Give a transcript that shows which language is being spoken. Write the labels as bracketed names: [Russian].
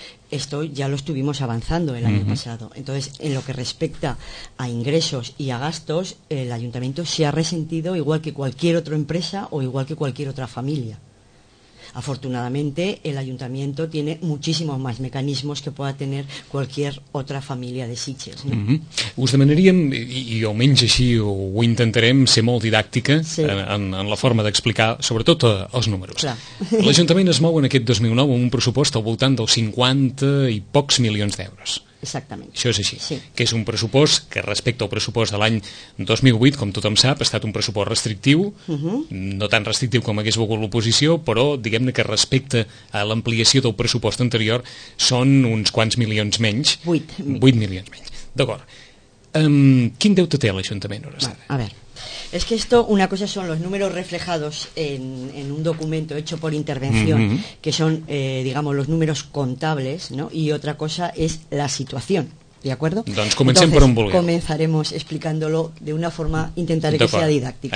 [Spanish] Esto ya lo estuvimos avanzando el año pasado. Entonces, en lo que respecta a ingresos y a gastos, el ayuntamiento se ha resentido igual que cualquier otra empresa o igual que cualquier otra familia. Afortunadamente, el ayuntamiento tiene muchísimos más mecanismos que pueda tener cualquier otra familia de Sitges, ¿no? Mm-hmm. [Catalan] Us demanaríem, i almenys així ho intentarem, ser molt didàctica, sí, en la forma d'explicar, sobretot, els números. Clar. L'Ajuntament es mou en aquest 2009 amb un pressupost al voltant dels 50 i pocs milions d'euros. Exactament. Això és així, sí. Que és un pressupost que respecte al pressupost de l'any 2008, com tothom sap, ha estat un pressupost restrictiu, no tan restrictiu com hagués volgut l'oposició, però diguem-ne que respecte a l'ampliació del pressupost anterior són uns quants milions menys. 8 milions menys. D'acord. ¿Quin deute té l'Ajuntament? [Spanish] A veure, es que esto, una cosa son los números reflejados en un documento hecho por intervención, que son, digamos, los números contables, ¿no? Y otra cosa es la situación. ¿De acuerdo? [Catalan] Doncs comencem [Spanish] Entonces, [Catalan] per on vulguem. [Spanish] Comenzaremos explicándolo de una forma, intentaré que sea didáctica.